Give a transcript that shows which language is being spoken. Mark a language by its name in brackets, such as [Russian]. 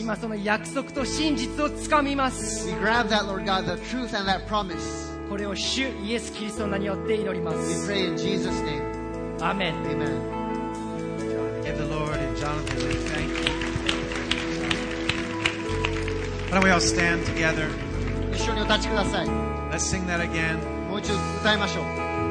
[Japanese] 今その約束と真実をつかみます。 [English] We grab that, Lord God, the truth and that promise. [Japanese] これを主イエスキリストの名によって祈ります。 [English] We pray in Jesus' name. Amen. Amen. Give the Lord and Jonathan a thank you. Why don't we all stand together? [Japanese] 一緒にお立ちください。 [English] Let's sing that again. [Japanese] もう一度歌いましょう。